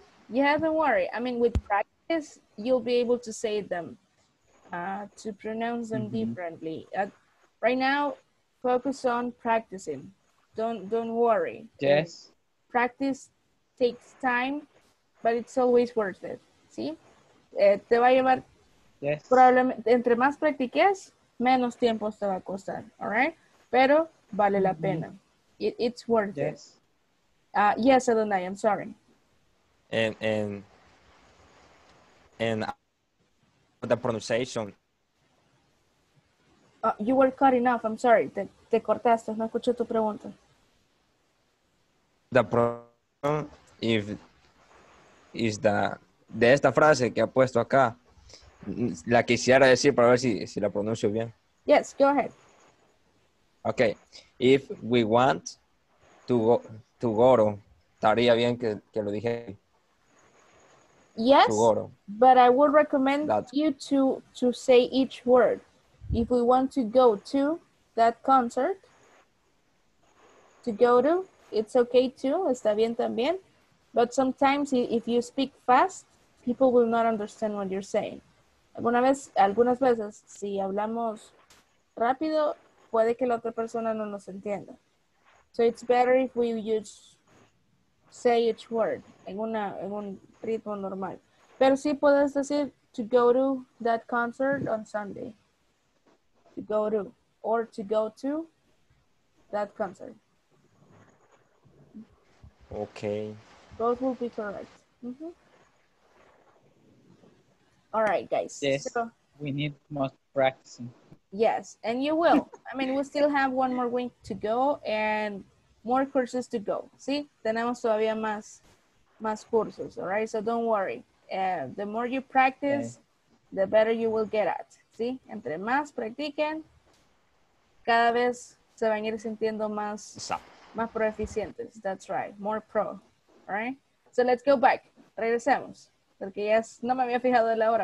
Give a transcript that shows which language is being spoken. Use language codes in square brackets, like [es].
[en] Yeah, don't worry. I mean, with practice, you'll be able to say them, to pronounce them mm-hmm. differently. Right now, focus on practicing. Don't worry. Yes. Practice takes time, but it's always worth it. [es] ¿Sí? Te va a llevar... [en] Yes. [es] Probablemente, entre más practiques, menos tiempo te va a costar. [en] All right? [es] Pero vale la mm-hmm. pena. [en] It's worth yes. it. Yes, Adonai, I'm sorry. And the pronunciation. You were cutting off. I'm sorry. [es] Te cortaste. No escuché tu pregunta. [en] The problem if is the [es] de esta frase que ha puesto acá. La quisiera decir para ver si la pronuncio bien. [en] Yes, go ahead. Okay. If we want to go, [es] estaría bien que lo dije. [en] Yes, but I would recommend you to say each word. If we want to go to that concert, to go to, it's okay too, [es] está bien también. [en] But sometimes if you speak fast, people will not understand what you're saying. [es] Algunas veces, si hablamos rápido, puede que la otra persona no nos entienda. [en] So it's better if we use say each word [es] en un ritmo normal. Pero sí puedes decir [en] to go to that concert on Sunday. To go to. Or to go to that concert. Okay. Both will be correct. Mm-hmm. All right, guys. Yes, so, we need more practicing. Yes, and you will. I mean, we still have one more week to go and more courses to go. [es] ¿Sí? Tenemos todavía más cursos, [en] all right? So don't worry. The more you practice, the better you will get at. [es] ¿Sí? Entre más practiquen, cada vez se van a ir sintiendo más proeficientes. [en] That's right. More pro. All right? So let's go back. [es] Regresemos. Porque ya no me había fijado de la hora.